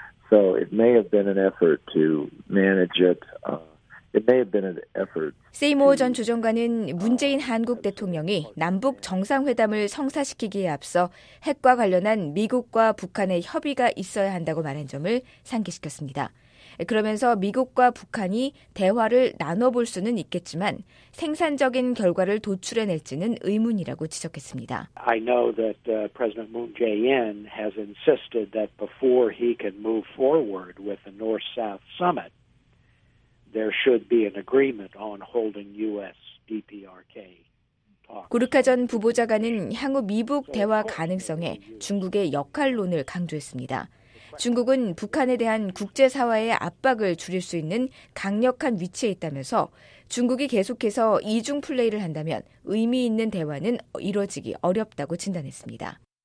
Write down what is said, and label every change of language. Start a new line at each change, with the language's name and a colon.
English: So it may have been an effort to manage it. It may have been an effort.
Korean: 세이모 전 조정관은 문재인 한국 대통령이 남북 정상회담을 성사시키기에 앞서 핵과 관련한 미국과 북한의 협의가 있어야 한다고 말한 점을 상기시켰습니다. 그러면서 미국과 북한이 대화를 나눠볼 수는 있겠지만 생산적인 결과를 도출해낼지는 의문이라고 지적했습니다.
English: I know that President Moon Jae-in has insisted that before he can move forward with the North-South Summit, there should be an agreement on holding U.S. DPRK talks.
Korean: 구르카 전 부보좌관은 향후 미북 대화 가능성에 중국의 역할론을 강조했습니다. 중국은 북한에 대한 국제사회의 압박을 줄일 수 있는 강력한 위치에 있다면서 중국이 계속해서 이중 플레이를 한다면 의미 있는 대화는 이루어지기 어렵다고 진단했습니다.